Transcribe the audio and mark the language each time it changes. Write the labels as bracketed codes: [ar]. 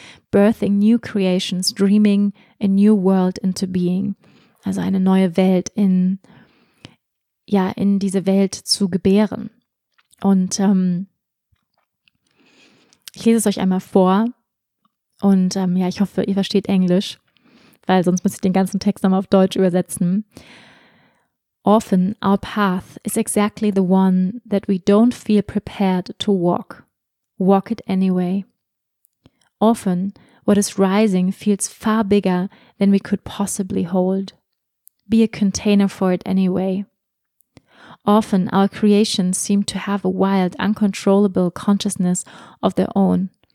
[en] Birthing new creations, dreaming a new world into being. [de] Also eine neue Welt in diese Welt zu gebären. Und ich lese es euch einmal vor. Und ich hoffe, ihr versteht Englisch, weil sonst müsste ich den ganzen Text nochmal auf Deutsch übersetzen. [en] Often our path is exactly the one that we don't feel prepared to walk. Walk it anyway. Often what is rising feels far bigger than we could possibly hold. Be a container for it anyway. Often our creations seem to have a wild, uncontrollable consciousness of their own.